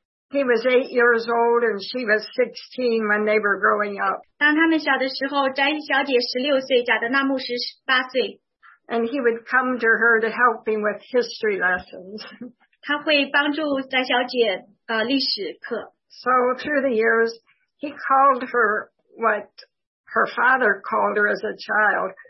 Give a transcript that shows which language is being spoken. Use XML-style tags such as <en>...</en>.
<en>He was 8 years old and she was 16 when they were growing up.</en> <zh>当他们小的时候，翟小姐16岁，贾德纳牧师18岁。</zh> <en>And he would come to her to help him with history lessons.</en> <zh>他会帮助翟小姐历史课。</zh> <en>So through the years, he called her what her father called her as a child.</en>